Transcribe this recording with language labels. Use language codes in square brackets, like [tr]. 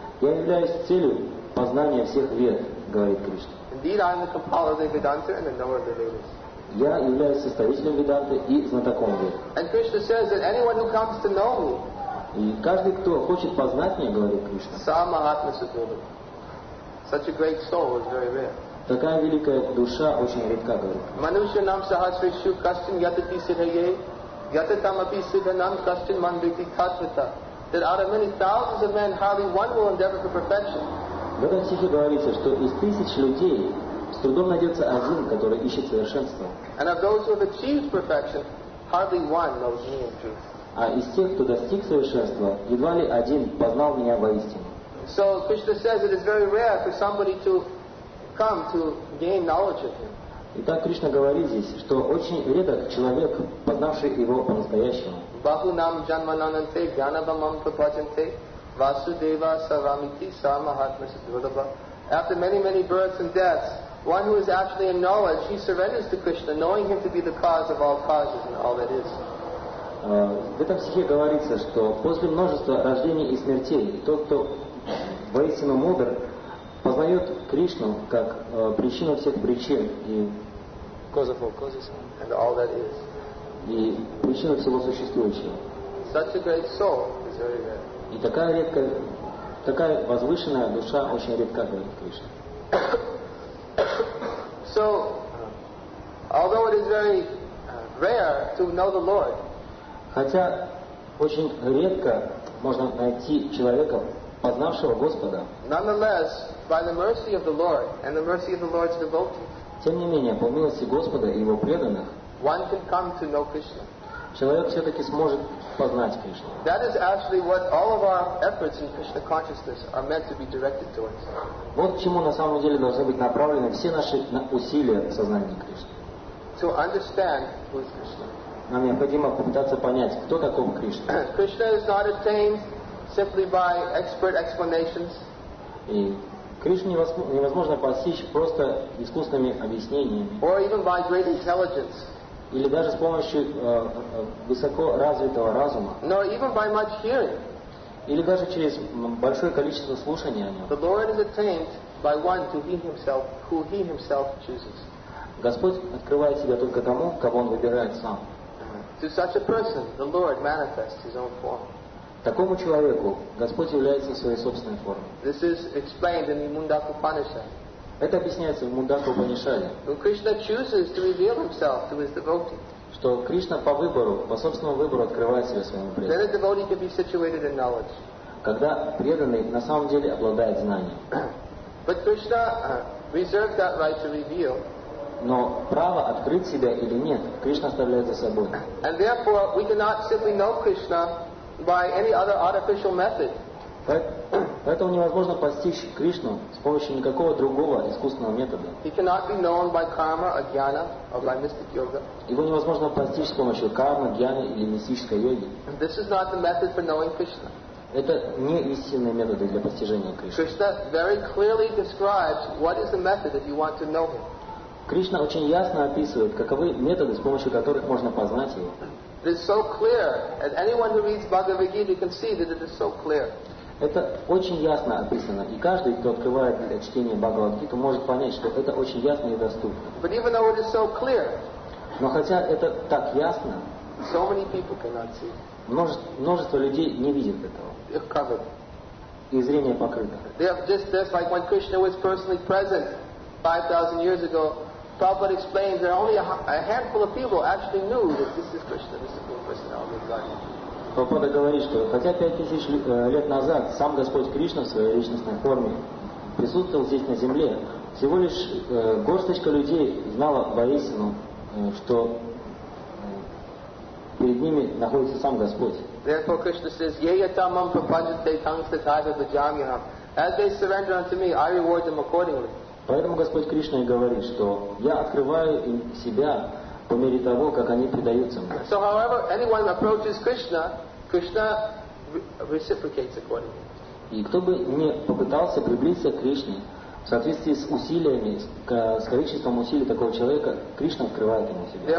[ru] Я являюсь целью познания всех Вед, говорит Кришна. [en] Indeed, I am the compiler of the Vedanta and the knower of the Vedas. [ru] Я являюсь составителем Веданты и знатоком Вед. [en] And Krishna says that anyone who comes to know me. [ru] И каждый, кто хочет познать меня, говорит Кришна. [sa] Сама атмасадхуру. [en] Such a great soul is very rare. [ru] Такая великая душа очень редка, говорит. [sa] Манушья нам сахасришу кастин ятати сидхайе, ятатам апи сидха нам кастин манвити тхатвита. [en] That out of many thousands of men, hardly one will endeavor for perfection. [ru] В этом стихе говорится, что из тысяч людей с трудом найдется один, который ищет совершенство. [en] And of those who have achieved perfection, hardly one knows me in truth. [ru] А из тех, кто достиг совершенства, едва ли один познал меня воистину. [en] So Krishna says it is very rare for somebody to come to gain knowledge of him. [ru] Итак, Кришна говорит здесь, что очень редок человек, познавший его по-настоящему. [sa] Баху нам джанмананте гьянабамам папачанте васудева сарамити самахатмасадвадаба. [en] After many, many births and deaths, one who is actually in knowledge, he surrenders to Krishna, knowing him to be the cause of all causes and all that is. [ru] В этом стихе говорится, что после множества рождений и смертей, тот, кто воистину мудр, познает Кришну как причину всех причин и, [en] cause of all causes and all that is. [ru] И причину всего существующего. [en] Such a great soul is very rare. [ru] И такая редкая, такая возвышенная душа очень редко говорит Кришна. [en] So, although it is very rare to know the Lord, [ru] хотя очень редко можно найти человека, познавшего Господа, [en] nonetheless, by the mercy of the Lord and the mercy of the Lord's devotees, [ru] тем не менее, по милости Господа и его преданных, [en] one can come to know Krishna. [ru] Человек все-таки сможет познать Кришну. [en] That is actually what all of our efforts in Krishna consciousness are meant to be directed towards. [ru] Вот к чему на самом деле должны быть направлены все наши усилия в сознании Кришны. [en] To understand who is Krishna. [ru] Нам необходимо попытаться понять, кто таков Кришна. [en] Krishna is not attained simply by expert explanations. [ru] И Кришну невозможно постичь просто искусственными объяснениями. [en] Or even by great intelligence. [ru] Или даже с помощью высоко развитого разума. [en] No, even by much hearing. [ru] Или даже через большое количество слушания о нем. [en] The Lord is attained by one to who he himself chooses. [ru] Господь открывает себя только тому, кого он выбирает сам. [en] To such a person, the Lord manifests his own form. [ru] Такому человеку Господь является своей собственной формой. [en] This is explained in the Mundaka Upanishad. [ru] Это объясняется в Мундаку Панишаде. [en] When Krishna chooses to reveal himself to his devotee, [ru] что Кришна по выбору, по собственному выбору открывает себя своему преданному. [en] Then a devotee can be situated in knowledge. [ru] Когда преданный на самом деле обладает знанием. [en] But Krishna reserved that right to reveal. [ru] Но право открыть себя или нет, Кришна оставляет за собой. [en] And therefore we cannot simply know Krishna by any other artificial method. [ru] Поэтому невозможно постичь Кришну с помощью никакого другого искусственного метода. [en] He cannot be known by karma, or jnana, or by mystic yoga. [ru] Его невозможно постичь с помощью кармы, джаны или мистической йоги. [en] This is not the method for knowing Krishna. [ru] Это не истинные методы для постижения Кришны. [en] Krishna very clearly describes what is the method if you want to know him. [ru] Кришна очень ясно описывает, каковы методы, с помощью которых можно познать его. [en] It is so clear, and anyone who reads Bhagavad Gita can see that it is so clear. [ru] Это очень ясно описано, и каждый, кто открывает для чтения Бхагавад-гиту, может понять, что это очень ясно и доступно. [en] But even though it is so clear, [ru] но хотя это так ясно, [en] so many people cannot see. [ru] Множество людей не видит этого. [en] They're covered. [ru] И зрение покрыто. [en] They have just this, like when Krishna was personally present 5,000 years ago, Prabhupada explains that only a handful of people actually knew that this is Krishna, the Supreme Personality of Godhead. [ru] Прабхупада говорит, что хотя 5000 лет назад сам Господь Кришна в своей личностной форме присутствовал здесь на земле, всего лишь горсточка людей знала воистину, что перед ними находится сам Господь. [en] Therefore Krishna says, [sa] Yeyatamam prapajate tangstatata vajamyaham. [en] As they surrender unto me, I reward them accordingly. [ru] Поэтому Господь Кришна и говорит, что я открываю им себя по мере того, как они предаются мне. [en] So however anyone approaches Krishna, Krishna reciprocates accordingly. [ru] И кто бы ни попытался приблизиться к Кришне, в соответствии с усилиями, с количеством усилий такого человека, Кришна открывает ему себя.